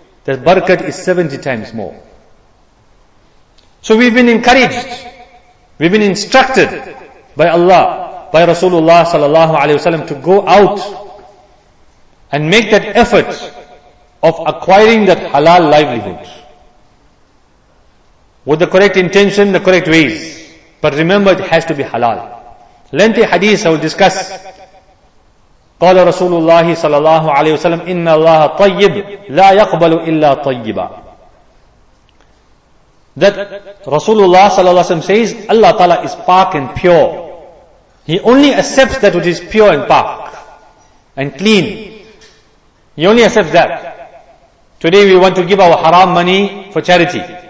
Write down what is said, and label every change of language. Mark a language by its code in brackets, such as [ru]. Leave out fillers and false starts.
[en] The barakat is 70 times more. So we've been encouraged, we've been instructed by Allah, by Rasulullah sallallahu alayhi wa sallam, to go out and make that effort of acquiring that halal livelihood with the correct intention, the correct ways. But remember, it has to be halal. Lengthy hadith I will discuss. [ar] قال رسول الله صلى الله عليه وسلم إن الله طيب لا يقبل إلا طيبا. [en] That Rasulullah [ar] صلى الله عليه وسلم [en] says Allah Ta'ala is pure and pure. He only accepts that which is pure and pure and clean. He only accepts that. Today we want to give our haram money for charity.